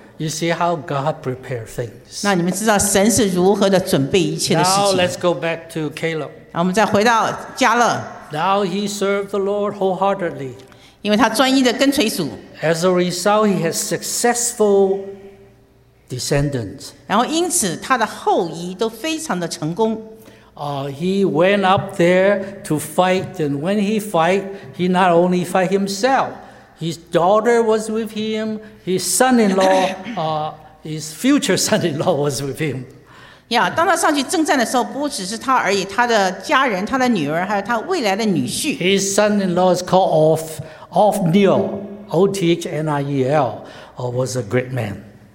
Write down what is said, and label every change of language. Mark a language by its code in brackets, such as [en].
[en] You see how God prepares things. [zh] 那你们知道神是如何的准备一切的事情。 [en] Now let's go back to Caleb. [zh] 然后我们再回到加勒。 [en] Now he served the Lord wholeheartedly. [zh] 因为他专一的跟随主。 [en] As a result, he has successful descendants. [zh] 然后因此他的后裔都非常的成功。 [en] He went up there to fight, and when he fight, he not only fight himself. His daughter was with him. His son-in-law, his future son-in-law was with him. [zh] 当他上去征战的时候，不只是他而已，他的家人、他的女儿，还有他未来的女婿。 [en] His son-in-law is called Othniel, O-T-H-N-I-E-L, was a great man.